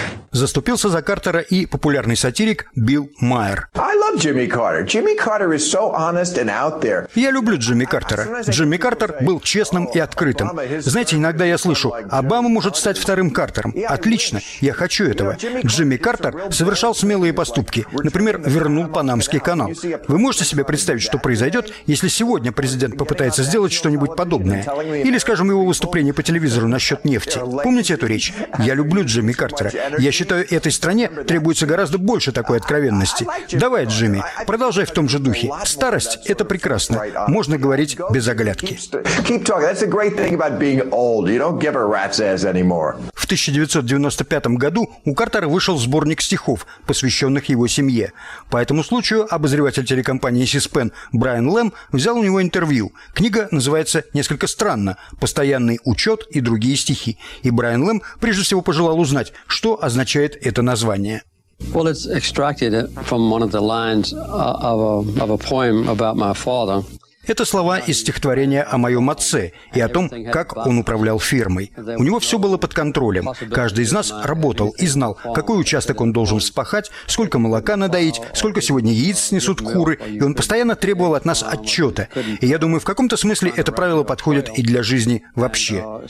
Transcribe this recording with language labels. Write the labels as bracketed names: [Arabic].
[Russian] Заступился за Картера и популярный сатирик Билл Майер. [English] I love Jimmy Carter. Jimmy Carter is so honest and out there. [Russian] Я люблю Джимми Картера. Джимми Картер был честным и открытым. Знаете, иногда я слышу, Обама может стать вторым Картером. Отлично, я хочу этого. Джимми Картер совершал смелые поступки. Например, вернул Панамский канал. Вы можете себе представить, что произойдет, если сегодня президент попытается сделать что-нибудь подобное? Или, скажем, его выступление по телевизору насчет нефти. Помните эту речь? Я люблю Джимми Картера. Я считаю, этой стране требуется гораздо больше такой откровенности. Давай, Джимми, продолжай в том же духе. Старость – это прекрасно. Можно говорить без оглядки. В 1995 году у Картера вышел сборник стихов, посвященных его семье. По этому случаю обозреватель телекомпании C-SPAN Брайан Лэм взял у него интервью. Книга называется «Несколько странно. Постоянный учет и другие стихи». И Брайан Лэм прежде всего пожелал узнать, что означает это название. [English] Well, it's extracted from one of the lines of a poem about my father. [Russian] Это слова из стихотворения о моем отце и о том, как он управлял фирмой. У него все было под контролем. Каждый из нас работал и знал, какой участок он должен вспахать, сколько молока надоить, сколько сегодня яиц снесут куры. И он постоянно требовал от нас отчета. И я думаю, в каком-то смысле это правило подходит и для жизни вообще.